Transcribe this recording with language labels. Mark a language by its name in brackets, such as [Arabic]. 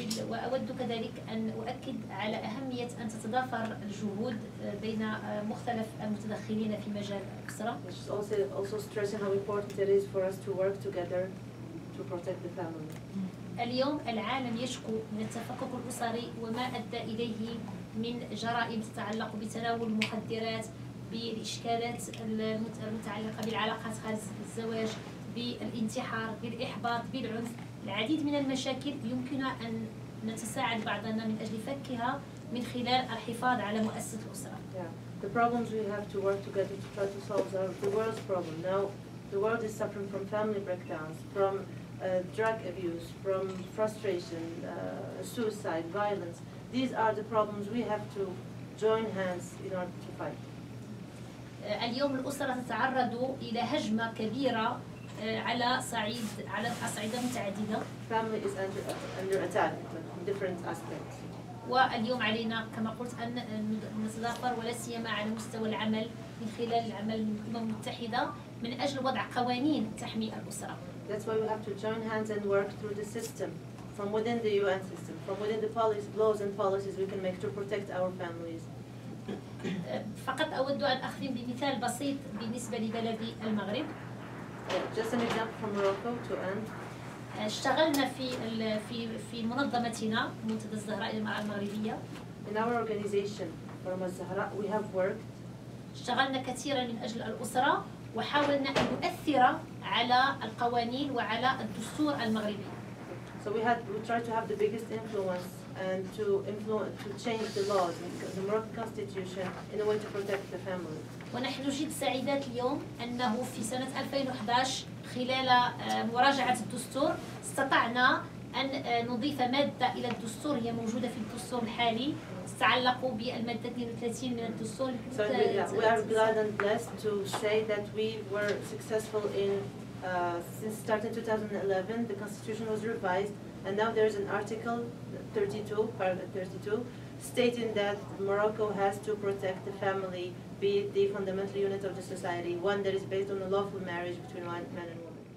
[Arabic] وأود كذلك أن أؤكد على أهمية أن تتضافر الجهود بين مختلف المتدخلين في مجال أسرة. [English] Also stressing how important it is for us to work together to protect the family. [Arabic] اليوم العالم يشكو من التفكك الأسري وما أدى إليه من جرائم تتعلق بتناول المخدرات بالإشكالات المتعلقة بالعلاقات خارج الزواج بالانتحار بالإحباط بالعنف العديد من المشاكل يمكن أن نتساعد بعضنا من أجل فكها من خلال الحفاظ على مؤسسة الأسرة. [English] The problems we have to work together to try to solve are the world's problem. Now the world is suffering from family breakdowns, from drug abuse, from frustration, suicide, violence. These are the problems we have to join hands in order to fight. [Arabic] اليوم الأسرة تتعرض إلى هجمة كبيرة على صعيد على أصعدة متعددة. [English] Family is under attack in different aspects. [Arabic] واليوم علينا كما قلت أن نتضافر ولا سيما على مستوى العمل من خلال العمل الأمم المتحدة من أجل وضع قوانين تحمي الأسرة. [English] That's why we have to join hands and work through the system, from within the UN system, from within the policies, laws and policies we can make to protect our families. [Arabic] فقط أود أن أخدم بمثال بسيط بالنسبة لبلدي المغرب. [English] Just an example from Morocco to end. [Arabic] اشتغلنا في منظمتنا منتدى الزهراء المغربية. [English] In our organization, Rama Zahra, we have worked. [Arabic] اشتغلنا كثيرا من أجل الأسرة. وحاولنا أن نؤثر على القوانين وعلى الدستور المغربي. [English] So we tried to have the biggest influence and to change the laws, the Moroccan constitution, in a way to protect the family. [Arabic] ونحن جد سعيدات اليوم أنه في سنة 2011 خلال مراجعة الدستور استطعنا أن نضيف مادة إلى الدستور هي موجودة في الدستور الحالي. تتعلقوا بالمادة 32 من الدستور. [English] So we are glad and blessed to say that we were successful in since starting 2011 the constitution was revised and now there is an article 32 paragraph 32 stating that Morocco has to protect the family be it the fundamental unit of the society one that is based on a lawful marriage between man and woman.